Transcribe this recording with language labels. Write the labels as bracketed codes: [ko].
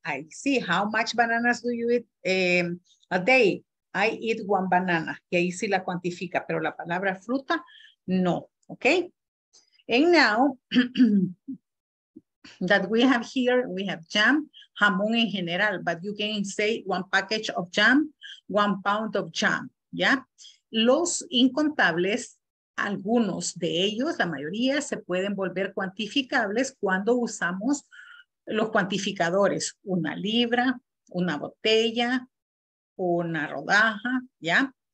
[en] I see, how much bananas do you eat a day? I eat one banana, [es] y ahí sí la cuantifica, pero la palabra fruta, no, okay? [en] And now, that we have here, we have jam, [es] jamón en general, [en] but you can say one package of jam, 1 pound of jam, yeah? [es] Los incontables, algunos de ellos, la mayoría, se pueden volver cuantificables cuando usamos los cuantificadores, una libra, una botella, una rodaja, ¿ya?